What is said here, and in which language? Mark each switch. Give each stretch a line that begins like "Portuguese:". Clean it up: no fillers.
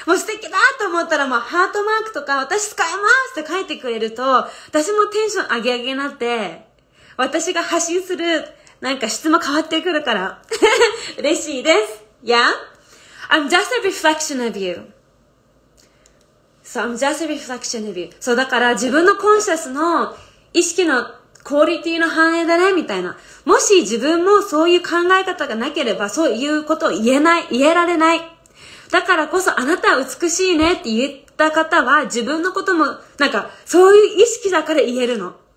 Japanese: もう素敵だと思ったらもうハートマークとか私使いますって書いてくれると私もテンション上げ上げになって私が発信するなんか質も変わってくるから嬉しいです。
English: Yeah? I'm just a reflection of you. So I'm just a reflection of you.
Japanese: そうだから自分のコンシャスの意識のクオリティの反映だねみたいな。もし自分もそういう考え方がなければそういうことを言えられない。だからこそあなたは美しいねって言った方は自分のこともなんかそういう意識だから言えるの。